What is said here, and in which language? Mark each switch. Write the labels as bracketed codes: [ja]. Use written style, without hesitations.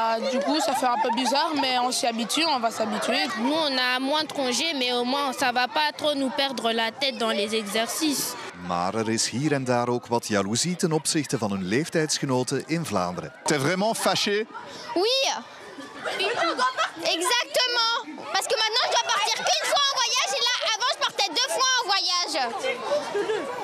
[fr] Du coup, ça fait un peu bizarre, mais on s'y habitue, on va s'habituer. Nous, on a moins de congés, mais au moins ça va pas trop nous perdre la tête dans les exercices. [nl] Maar er is hier en daar ook wat jaloezie ten opzichte van hun leeftijdsgenoten in Vlaanderen. [fr] T'es vraiment fâché? Oui. Exactement. Parce que maintenant je dois partir qu'une fois en voyage et là avant je partais 2 fois en voyage.